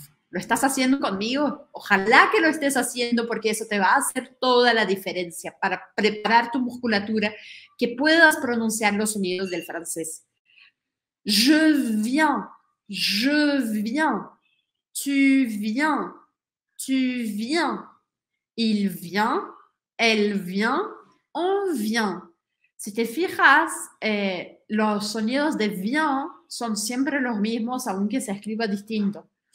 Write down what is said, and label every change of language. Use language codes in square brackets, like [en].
[es] ¿Lo estás haciendo conmigo? Ojalá que lo estés haciendo porque eso te va a hacer toda la diferencia para preparar tu musculatura que puedas pronunciar los sonidos del francés. [fr] Je viens, je viens, tu viens, tu viens, il vient, elle vient, on vient. [es] Si te fijas, los sonidos de vient son siempre los mismos, aunque se escriba distinto.